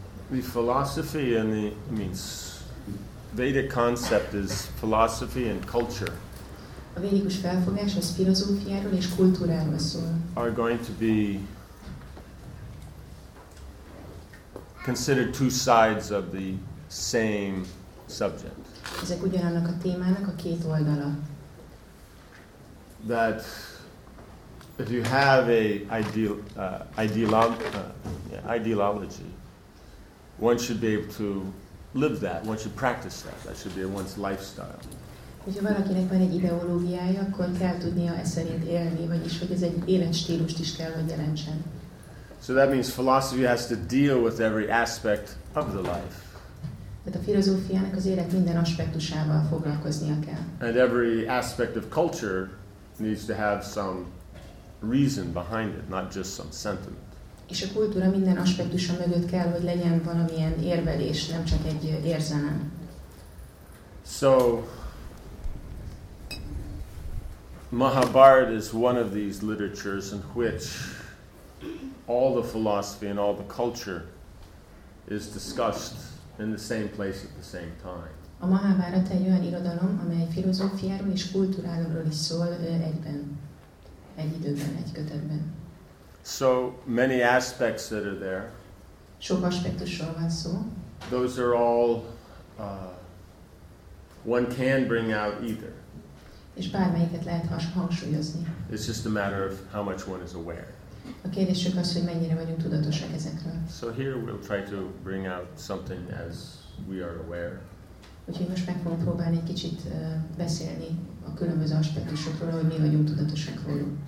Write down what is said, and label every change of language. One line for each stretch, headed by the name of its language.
English: The philosophy and the, I mean, Vedic concept is philosophy and culture.
Hungarian: A védikus felfogás az filozófiáról és kultúráról szól.
English: Are going to be considered two sides of the same subject.
Hungarian: Ezek ugyanannak a témának a két oldala.
English: That if you have a ideology, one should be able to live that. One should practice that. That should be one's lifestyle.
Hungarian: Hogyha valakinek van egy ideológiája, akkor kell tudnia ezt szerint élni, vagyis hogy ez egy életstílust is kell, hogy jelentsen.
English: So that means philosophy has to deal with every aspect of the life.
Hungarian: Tehát a filozófiának az élet minden aspektusával foglalkoznia kell.
English: And every aspect of culture needs to have some reason behind it, not just some sentiment.
Hungarian: És a kultúra minden aspektusa mögött kell, hogy legyen valamilyen érvelés, nem csak egy érzelem.
English: So Mahabharat is one of these literatures in which all the philosophy and all the culture is discussed in the same place at the same time.
Hungarian: A Mahabharat egy olyan irodalom, amely filozófiáról és kultúráról is szól egyben. Egy időben, egy kötetben.
English: So many aspects that are there.
Hungarian: Sok aspektusról van szó.
English: Those are all one can bring out either.
Hungarian: És bármelyiket lehet hangsúlyozni.
English: It's just a matter of how much one is aware.
Hungarian: A kérdés csak az, hogy mennyire vagyunk tudatosak ezekről.
English: So here we'll try to bring out something as we are aware.
Hungarian: Úgyhogy most meg fogunk próbálni egy kicsit beszélni a különböző aspektusokról, hogy mi vagyunk tudatosak róla.